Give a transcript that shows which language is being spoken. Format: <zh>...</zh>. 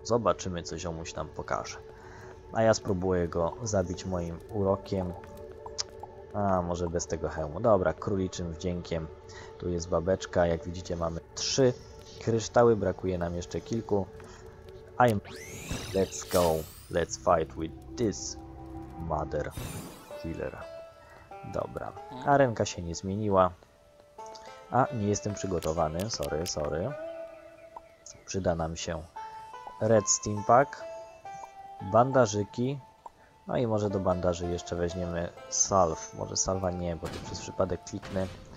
<pl>Zobaczymy, co ziomuś nam pokaże. A ja spróbuję go zabić moim urokiem. A, może bez tego hełmu. Dobra, króliczym wdziękiem. Tu jest babeczka. Jak widzicie, mamy 3 kryształy. Brakuje nam jeszcze kilku.</pl> <en>Let's go. Let's fight with this mother killer.</en> <pl>Dobra. Arenka się nie zmieniła. A, nie jestem przygotowany. Sorry, sorry. Przyda nam się red steampack. Bandażyki. No i może do bandaży jeszcze weźmiemy salve. Może salwa nie, bo to przez przypadek kliknę.</pl>